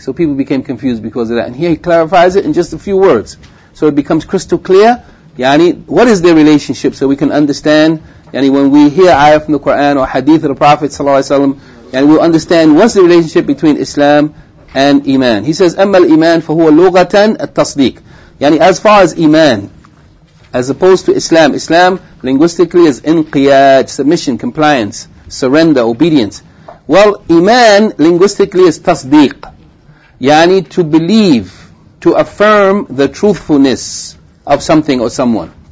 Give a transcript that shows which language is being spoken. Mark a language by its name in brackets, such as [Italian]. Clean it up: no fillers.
[English] So people became confused because of that. And here he clarifies it in just a few words. So it becomes crystal clear, what is their relationship so we can understand, when we hear ayah from the Quran or hadith of the Prophet ﷺ, we'll understand what's the relationship between Islam and Iman. He says, [Arabic] أَمَّا الْإِيمَانِ فَهُوَ لُغَةً التَّصْدِيقِ. [English] As far as Iman, as opposed to Islam, Islam linguistically is inqiyad, submission, compliance, surrender, obedience. Well, Iman linguistically is tasdiq, to believe, to affirm the truthfulness of something or someone.